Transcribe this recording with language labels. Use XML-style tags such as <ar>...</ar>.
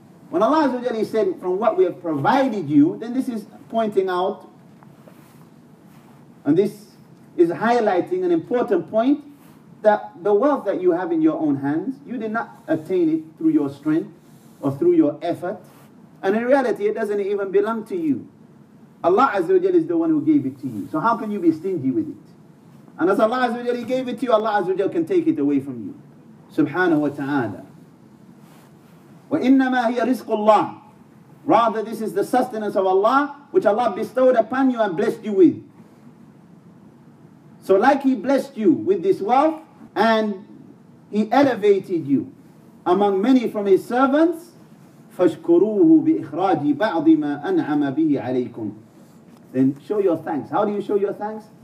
<en>When Allah Azza wa Jalla said, from what we have provided you, then this is pointing out, and this is highlighting an important point, that the wealth that you have in your own hands, you did not attain it through your strength or through your effort. And in reality, it doesn't even belong to you. Allah Azza wa Jalla is the one who gave it to you. So how can you be stingy with it? And as Allah Azza wa Jalla gave it to you, Allah Azza wa Jalla can take it away from you.</en> <ar>Subhanahu wa ta'ala. وَإِنَّمَا هِيَ رِزْقُ اللَّهِ.</ar> <en>Rather, this is the sustenance of Allah, which Allah bestowed upon you and blessed you with. So like He blessed you with this wealth, and He elevated you among many from His servants,</en> <ar>فَشْكُرُوهُ بِإِخْرَاجِ بَعْضِ مَا أَنْعَمَ بِهِ عَلَيْكُمْ.</ar> <en>Then show your thanks. How do you show your thanks?</en>